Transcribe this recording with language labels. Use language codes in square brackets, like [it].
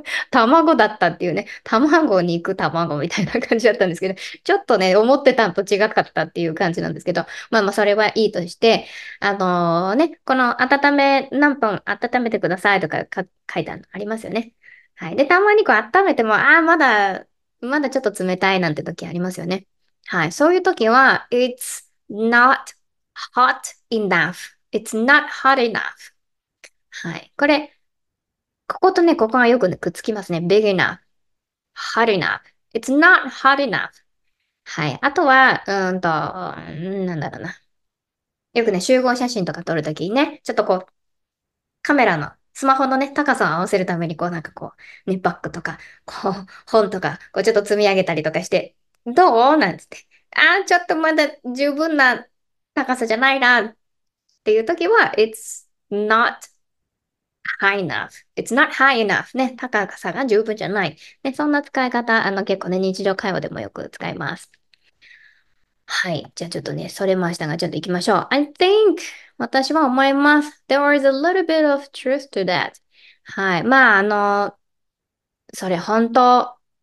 [ja] 卵だったっていうね、卵に肉卵みたいな感じだったんですけど、ちょっとね、思ってたのと違かったっていう感じなんですけど、まあまあ、それはいいとして、ね、この何分温めてくださいとか、書いたのありますよね。はい。で、たまにこう温めても、ああ、まだちょっと冷たいなんて時ありますよね。はい。 [en] そういう時は、It's not hot enough. It's not hot enough. はい。 [ja] これ、こことね、ここがよく、ね、くっつきますね。 [en] big enough. hot enough. It's not hot enough. はい。 [ja] あとは、なんだろうな。よくね、集合写真とか撮るときにね、ちょっとこう、カメラの、スマホのね、高さを合わせるために、こうなんかこう、ね、バッグとか、こう、本とか、こうちょっと積み上げたりとかして、どう？なんつって。ああ、ちょっとまだ十分な高さじゃないな、っていう時は、 [en] It's not high enough. It's not high enough. [ja] ね、高さが十分じゃない。ね、そんな使い方、結構ね、日常会話でもよく使います。はい。じゃあちょっとね、それましたが、ちょっと行きましょう。 [en] I think! [ja] 私は思います。 [en] There is a little bit of truth to that. はい。 [ja] まあ、それ本当